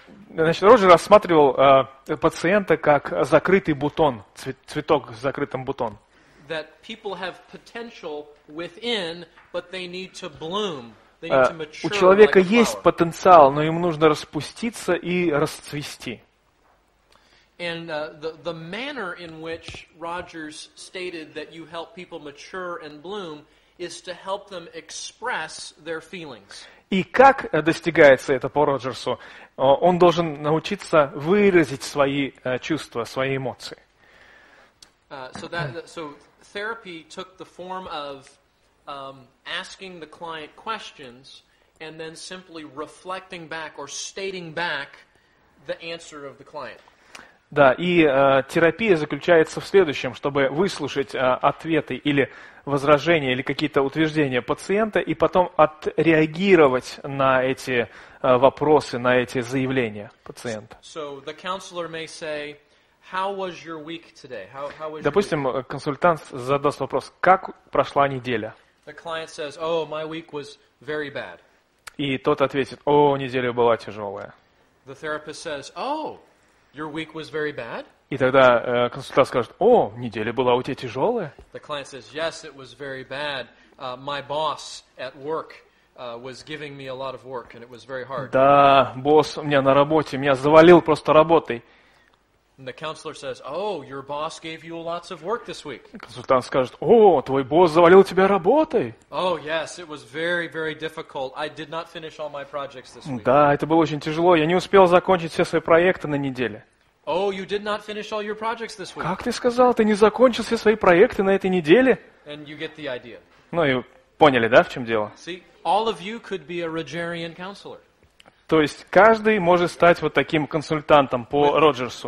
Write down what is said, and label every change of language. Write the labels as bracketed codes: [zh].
[ru] Значит, Роджер рассматривал пациента как закрытый бутон, цветок с закрытым бутоном. [en] That people have potential within, but they need to bloom. They need to mature. [ru] У человека [en] like [ru] есть потенциал, но им нужно распуститься и расцвести. [en] And the manner in which Rogers stated that you help people mature and bloom is to help them express their feelings. [ru] И как достигается это по Роджерсу? Он должен научиться выразить свои чувства, свои эмоции. [en] So therapy took the form of asking the client questions and then simply reflecting back or stating back the answer of the client. [ru] Да, и терапия заключается в следующем, чтобы выслушать ответы или возражения, или какие-то утверждения пациента, и потом отреагировать на эти вопросы, на эти заявления пациента. [en] So the counselor may say, how was your week today? How was your [ru] Допустим, [en] week? [ru] Консультант задаст вопрос, как прошла неделя? [en] The client says, oh, my week was very bad. [ru] И тот ответит, о, неделя была тяжелая. [en] The therapist says, oh, your week was very bad? [ru] И тогда консультант скажет, о, неделя была у тебя тяжелая? [en] The client says, yes, it was very bad. My boss at work was giving me a lot of work, and it was very hard. [ru] Да, босс у меня на работе, меня завалил просто работой. [en] And the counselor says, oh, your boss gave you lots of work this week. [ru] Консультант скажет, о, твой босс завалил тебя работой. [en] Oh, yes, it was very, very difficult. I did not finish all my projects this week. [ru] Да, это было очень тяжело. Я не успел закончить все свои проекты на неделе. [en] Oh, you did not finish all your projects this week. [ru] Как ты сказал, ты не закончил все свои проекты на этой неделе? [en] And you get the idea. [ru] Ну и поняли, да, в чем дело? [en] See, all of you could be a Rogerian counselor. [ru] То есть каждый может стать вот таким консультантом по Роджерсу.